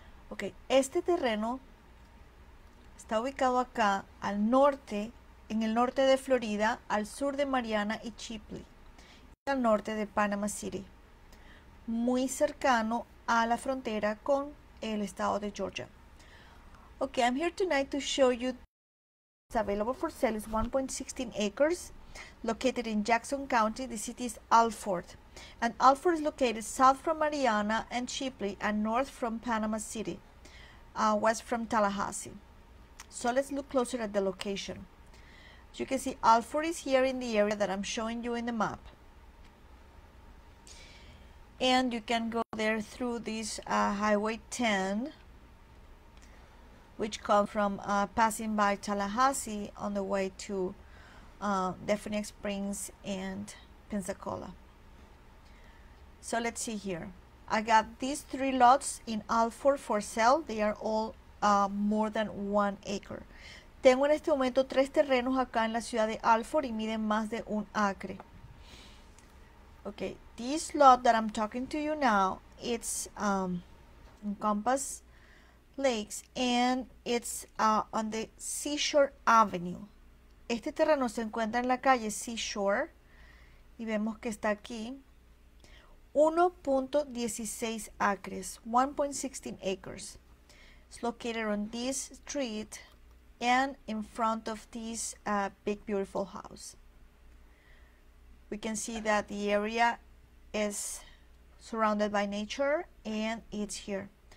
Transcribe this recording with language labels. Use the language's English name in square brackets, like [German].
[Spanish] Okay, este terreno está ubicado acá, al norte, en el norte de Florida, al sur de Mariana y Chipley, al norte de Panama City, muy cercano a la frontera con el estado de Georgia. [English] Okay, I'm here tonight to show you what's available for sale. It's 1.16 acres, located in Jackson County. The city is Alford. And Alford is located south from Mariana and Chipley, and north from Panama City, west from Tallahassee. So let's look closer at the location. As you can see, Alford is here in the area that I'm showing you in the map. And you can go there through this Highway 10, which comes from passing by Tallahassee on the way to Daphne Springs and Pensacola. So let's see here. I got these three lots in Alford for sale. They are all more than 1 acre. [Spanish] Tengo en este momento tres terrenos acá en la ciudad de Alford y miden más de un acre. [English] Okay, this lot that I'm talking to you now, it's Compass Lakes, and it's on the Seashore Avenue. [Spanish] Este terreno se encuentra en la calle Seashore, y vemos que está aquí, 1.16 acres, 1.16 acres. [English] It's located on this street and in front of this big, beautiful house. We can see that the area is surrounded by nature, and it's here.